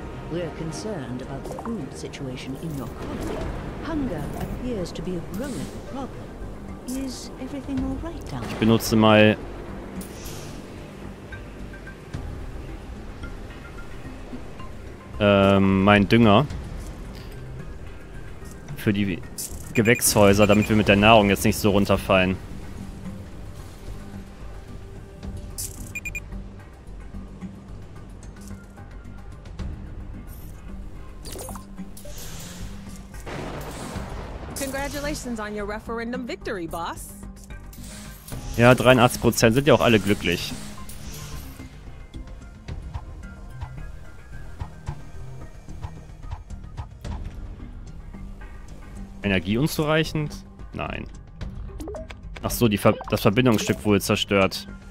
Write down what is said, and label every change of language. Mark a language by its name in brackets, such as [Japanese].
[English] We're concerned about the food situation in your colony. Hunger appears to be a growing problem. Is everything all right down there? [German] Ich benutze mal mein Dünger für die Gewächshäuser, damit wir mit der Nahrung jetzt nicht so runterfallen. [English] Congratulations on your referendum victory, boss. [German] Ja, 83% sind ja auch alle glücklich. Energie unzureichend? Nein. Ach so, das Verbindungsstück wurde zerstört.